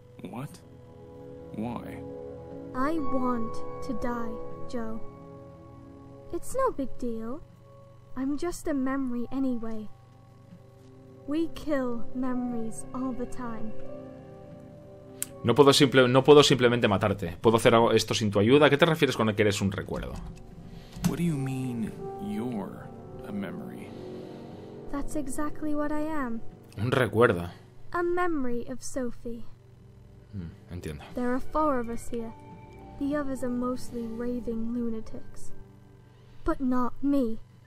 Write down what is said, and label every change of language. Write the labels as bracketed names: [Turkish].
[English] What? Why? I want to die, Joe. It's no big deal. I'm just a memory anyway. We kill memories all the time. [Spanish] No puedo simplemente matarte. Puedo hacer esto sin tu ayuda. ¿A qué te refieres con que eres un recuerdo? [English] What do you mean you're a memory? That's exactly what I am. [Spanish] Un recuerdo. [English] A memory of Sophie. [Spanish] Entiendo. [English] There are four of us here. The others are mostly raving lunatics. But not me.